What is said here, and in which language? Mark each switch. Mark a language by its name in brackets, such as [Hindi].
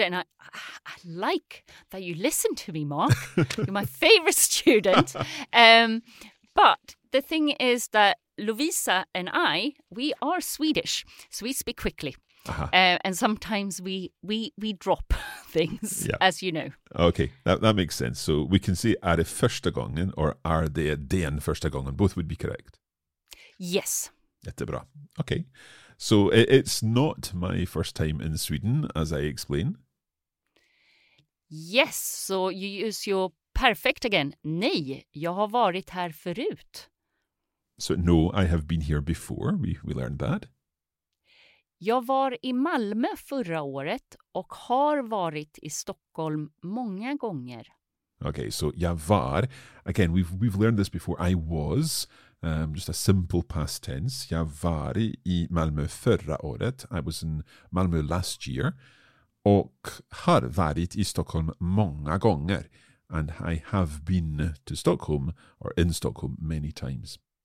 [English] And I like that you listen to me, Mark. You're my favorite student. But the thing is that Lovisa and I, we are Swedish. So we speak quickly. And sometimes we drop things, as you know. Okay, that makes sense. So we can say, [Swedish] är det första gången or är det den första gången? [English] Both would be correct. Yes. [Swedish] Jättebra. Okay. [English] So it's not my first time in Sweden, as I explain. Yes, so you use your perfect again. [Swedish] Nej, jag har varit här förut. [English] So no, I have been here before. We learned that. [Swedish] Jag var I Malmö förra året och har varit I Stockholm många gånger. [English] Okay, so [Swedish] jag var. [English] Again, we've learned this before. I was. Just a simple past tense. [Swedish] Jag var I Malmö förra året. [English] I was in Malmö last year. [Swedish] Och har varit I Stockholm många gånger. [English] And I have been to Stockholm or in Stockholm many times.